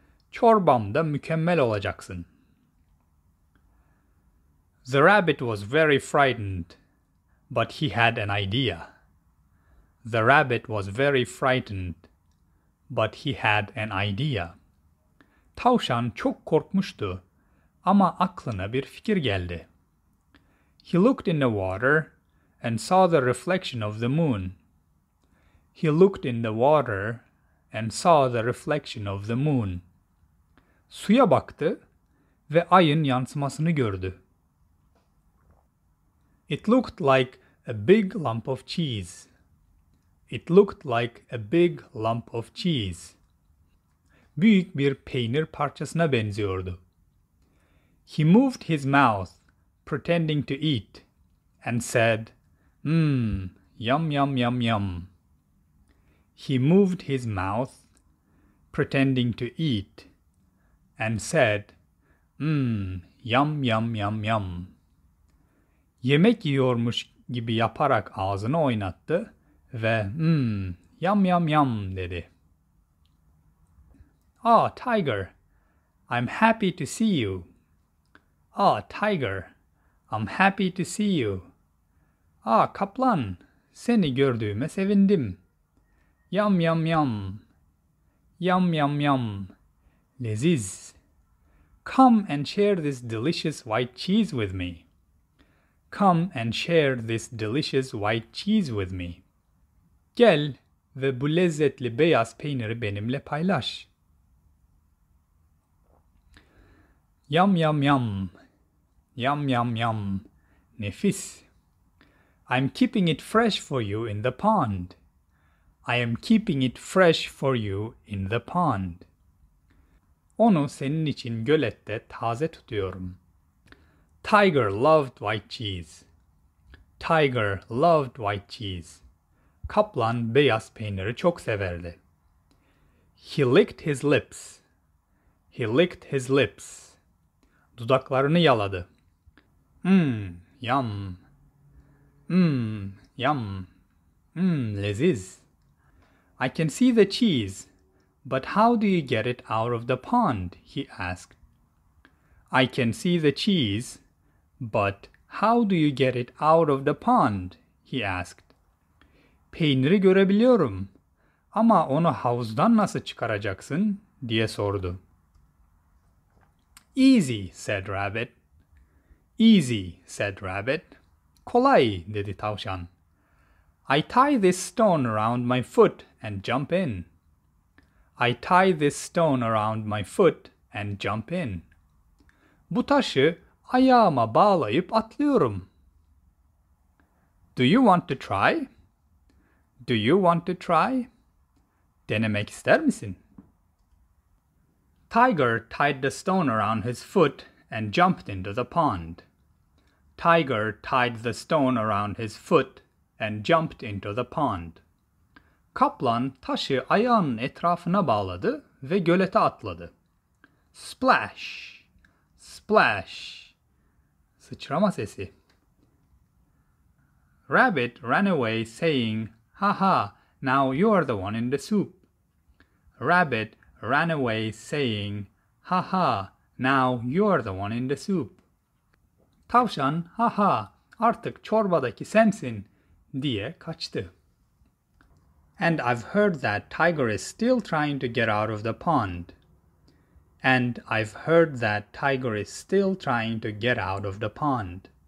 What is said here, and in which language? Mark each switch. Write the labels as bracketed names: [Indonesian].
[Turkish] Çorbamda mükemmel olacaksın. [English] The rabbit was very frightened, but he had an idea. The rabbit was very frightened, but he had an idea. [Turkish] Tavşan çok korkmuştu, ama aklına bir fikir geldi. [English] He looked in the water and saw the reflection of the moon. He looked in the water and saw the reflection of the moon. [Turkish] Suya baktı ve ayın yansımasını gördü. [English] It looked like a big lump of cheese. It looked like a big lump of cheese. [Turkish] Büyük bir peynir parçasına benziyordu. [English] He moved his mouth, pretending to eat, and said, "Mmm, yum, yum, yum, yum." He moved his mouth, pretending to eat, and said, "Mmm, yum, yum, yum, yum." [Turkish] Yemek yiyormuş gibi yaparak ağzını oynattı ve "Mmm, yum, yum, yum" dedi. [English] "Ah, oh, tiger, I'm happy to see you. Ah, oh, tiger, I'm happy to see you. [Turkish] Ah, oh, kaplan, seni gördüğüme sevindim. Yum, yum, yum. Yum, yum, yum. Leziz. [English] Come and share this delicious white cheese with me. Come and share this delicious white cheese with me. [Turkish] Gel ve bu lezzetli beyaz peyniri benimle paylaş. Yum, yum, yum. Yum, yum, yum. Nefis. [English] I'm keeping it fresh for you in the pond. I am keeping it fresh for you in the pond. [Turkish] Onu senin için gölette taze tutuyorum. [English] Tiger loved white cheese. Tiger loved white cheese. [Turkish] Kaplan beyaz peyniri çok severdi. [English] He licked his lips. He licked his lips. [Turkish] Dudaklarını yaladı. Mmm, yum. Mmm, yum. Mmm, leziz. [English] I can see the cheese, but how do you get it out of the pond? He asked. I can see the cheese, but how do you get it out of the pond? he asked. [Turkish] Peyniri görebiliyorum ama onu havuzdan nasıl çıkaracaksın diye sordu. [English] Easy, said rabbit. Easy, said rabbit. [Turkish] Kolay, dedi tavşan. [English] I tie this stone around my foot and jump in. I tie this stone around my foot and jump in. [Turkish] Bu taşı ayağıma bağlayıp atlıyorum. [English] Do you want to try? Do you want to try? [Turkish] Denemek ister misin? [English] Tiger tied the stone around his foot and jumped into the pond. Tiger tied the stone around his foot and jumped into the pond. [Turkish] Kaplan taşı ayağının etrafına bağladı ve gölete atladı. [English] Splash! Splash! [Turkish] Sıçrama sesi. [English] Rabbit ran away saying, "Ha ha, now you are the one in the soup." Rabbit ran away saying, "Ha ha, now you are the one in the soup." [Turkish] Tavşan, "Ha ha, artık çorbadaki sensin," diye kaçtı. [English] And I've heard that tiger is still trying to get out of the pond. And I've heard that tiger is still trying to get out of the pond.